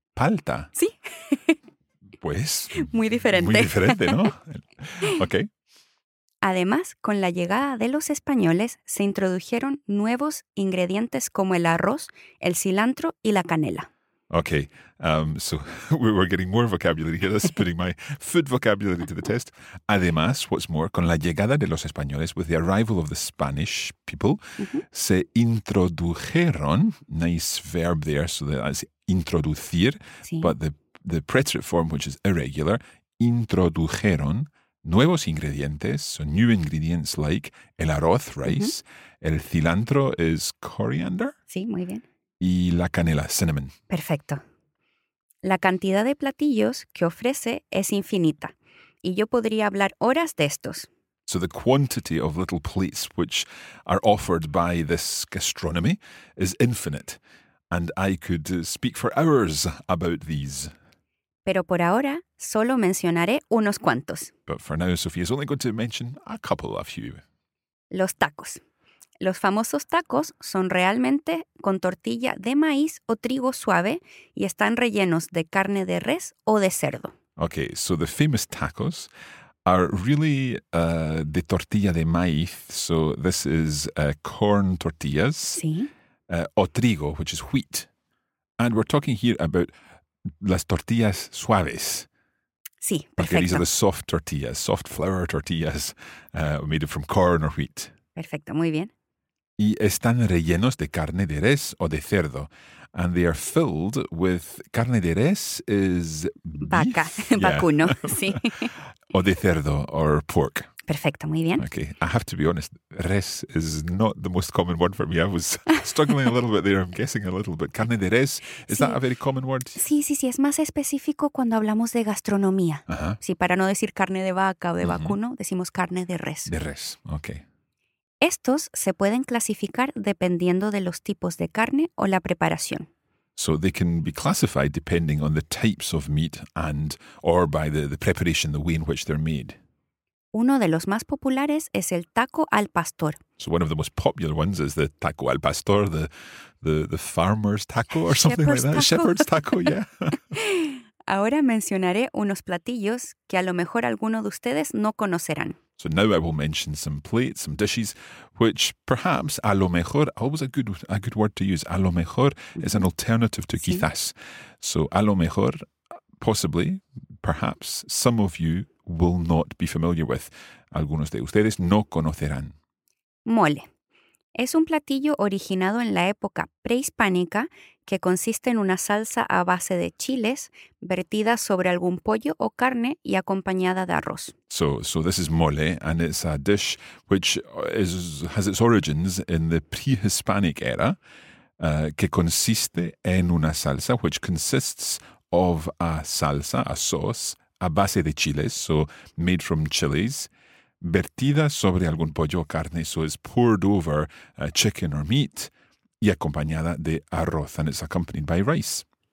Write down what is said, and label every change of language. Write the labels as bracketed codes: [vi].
[es] ¿Palta? Sí. Pues, muy diferente. Muy diferente, ¿no? Ok. Además, con la llegada de los españoles, se introdujeron nuevos ingredientes como el arroz, el cilantro y la canela. [en] Ok. So, we're getting more vocabulary here. That's putting my food vocabulary to the test. Además, what's more, [es] con la llegada de los españoles, [en] with the arrival of the Spanish people, [es] se introdujeron, [en] nice verb there, so that's introducir, [es] sí. [en] But the preterite form, which is irregular, [es] introdujeron nuevos ingredientes, [en] so new ingredients like [es] el arroz, [en] rice, [es] el cilantro [en] is coriander. [es] Sí, muy bien. Y la canela, cinnamon. Perfecto. La cantidad de platillos que ofrece es infinita. Y yo podría hablar horas de estos. [en] So the quantity of little plates which are offered by this gastronomy is infinite. And I could speak for hours about these. [es] Pero por ahora, solo mencionaré unos cuantos. [en] But for now, Sophie is only going to mention a couple of you. [es] Los tacos. Los famosos tacos son realmente con tortilla de maíz o trigo suave y están rellenos de carne de res o de cerdo. [en] Okay, so the famous tacos are really [es] de tortilla de maíz. [en] So this is corn tortillas. [es] Sí. O trigo, [en] which is wheat. And we're talking here about [es] las tortillas suaves. Sí, perfecto. [en] Okay, these are the soft tortillas, soft flour tortillas made from corn or wheat. [es] Perfecto, muy bien. Y están rellenos de carne de res o de cerdo. [en] And they are filled with... [es] Carne de res [en] is beef. [es] Vaca, yeah. Vacuno, sí. O de cerdo, [en] or pork. [es] Perfecto, muy bien. [en] Okay, I have to be honest, res is not the most common word for me. I was struggling a little bit there, I'm guessing a little bit. [es] Carne de res, [en] is that a very common word? [es] Sí, sí, sí, es más específico cuando hablamos de gastronomía. Uh-huh. Sí, para no decir carne de vaca o de vacuno, decimos carne de res. De res, okay. Estos se pueden clasificar dependiendo de los tipos de carne o la preparación. [en] So they can be classified depending on the types of meat and or by the preparation, the way in which they're made. [es] Uno de los más populares es el taco al pastor. [en] So one of the most popular ones is the [es] taco al pastor, [en] the farmer's taco or something shepherd's like that. [es] Taco. [en] Shepherd's taco, yeah. [es] Ahora mencionaré unos platillos que a lo mejor alguno de ustedes no conocerán. [en] So now I will mention some plates, some dishes, which perhaps, [es] a lo mejor, [en] always a good word to use. [es] A lo mejor [en] is an alternative to quizás. [es] Sí. [en] So [es] a lo mejor, [en] possibly, perhaps, some of you will not be familiar with. [es] Algunos de ustedes no conocerán. Mole. Es un platillo originado en la época prehispánica que consiste en una salsa a base de chiles vertida sobre algún pollo o carne y acompañada de arroz. [en] So this is mole, and it's a dish which has its origins in the prehispanic era, [es] que consiste en una salsa, [en] which consists of a salsa, a sauce, [es] a base de chiles, [en] so made from chilies, [es] vertida sobre algún pollo o carne, [en] so it's poured over chicken or meat, [es] y acompañada de arroz, [en] and it's accompanied by rice.